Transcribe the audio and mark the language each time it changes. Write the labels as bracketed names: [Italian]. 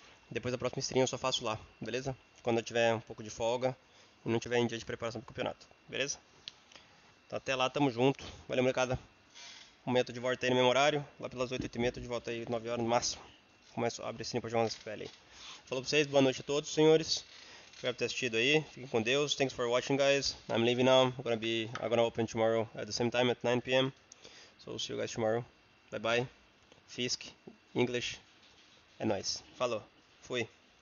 [Portuguese] Depois da próxima stream eu só faço lá, beleza? Quando eu tiver um pouco de folga e não tiver em dia de preparação pro campeonato, beleza? Então até lá, tamo junto. Valeu, molecada. Amanhã tô de volta aí no meu horário, lá pelas 8h30 tô de volta aí, 9 horas no máximo. Começo, abre a stream pra Jogando FPL aí. Falou pra vocês, boa noite a todos, senhores. Espero ter assistido aí. Fiquem com Deus. [English] Thanks for watching, guys. I'm leaving now. I'm gonna open tomorrow at the same time at 9 p.m. So see you guys tomorrow. Bye bye. [Portuguese] Fisk. English. É nóis. Falou. Fui.